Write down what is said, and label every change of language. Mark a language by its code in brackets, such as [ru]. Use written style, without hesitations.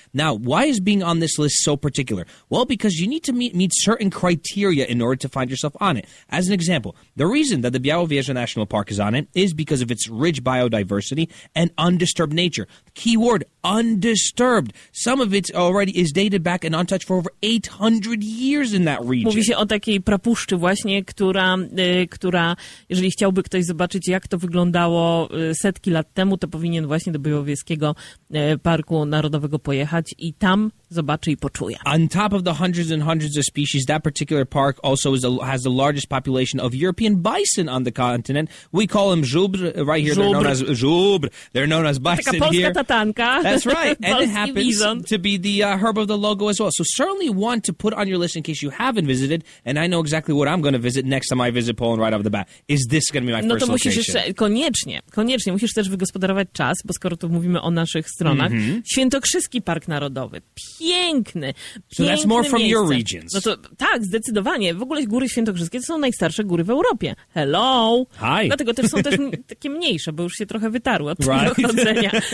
[en] Now, why is being on this list so particular? Well, because you need to meet certain criteria in order to find yourself on it. As an example, the reason that the Białowieża National Park is on it is because of its rich biodiversity and undisturbed nature. Keyword, undisturbed. Some of it already is dated back and untouched for over 800 years in that region. [pl] Mówi się o takiej prapuszczy właśnie, która jeżeli chciałby ktoś zobaczyć, jak to wyglądało setki lat temu, to powinien właśnie do Białowieskiego Parku Narodowego pojechać i tam zobaczy i poczuje. [en] On top of the hundreds and hundreds of species, that particular park also has the largest population of European bison on the continent. We call them żubr right here. They're known as żubr. They're known as bison [pl] taka polska [en] here. Tatanka. That's right. And it happens to be the herb of the logo as well. So certainly one to put on your list in case you haven't visited. And I know exactly what I'm going to visit next time I visit Poland right off the bat. Is this going to be my first location? [pl] No to musisz [en] location? [pl] Jeszcze, koniecznie. Musisz też wygospodarować czas, bo skoro tu mówimy o naszych stronach. Mm-hmm. Świętokrzyski Park Narodowy. Piękny, piękny. [en] So that's more from [pl] miejsce. [en] Your regions. [pl] No to, tak, zdecydowanie. W ogóle Góry Świętokrzyskie to są najstarsze góry w Europie. [en] Hello! Hi! [pl] Dlatego też są też takie mniejsze, bo już się trochę wytarły od tego chodzenia.